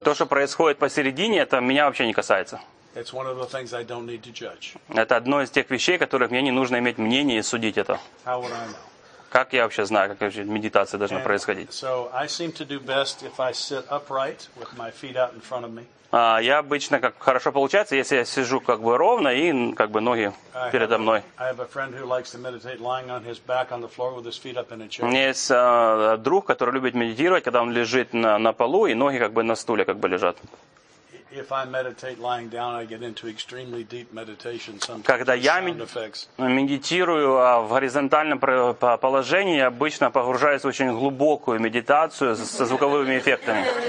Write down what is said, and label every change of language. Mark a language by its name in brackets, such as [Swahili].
[Russian] То, что происходит посередине, это меня вообще не касается. [English] It's one of the things I don't need to judge. [Russian] Это одно из тех вещей, которых мне не нужно иметь мнение и судить это. [English] How would I know? [Russian] как я вообще знаю, как вообще медитация должна происходить? [English] So I seem to do best if I sit upright with my feet out in front of me. [Russian] Я обычно как хорошо получается, если я сижу как бы ровно и как бы ноги передо мной. [English] I have a friend who likes to meditate lying on his back on the floor with his feet up in a chair. [Russian] У меня есть друг, который любит медитировать, когда он лежит на полу и ноги как бы на стуле как бы лежат. [English] If I meditate lying down, I get into extremely deep meditation. Sometimes. [Russian] Когда я медитирую в горизонтальном положении, обычно погружаюсь в очень глубокую медитацию со звуковыми эффектами.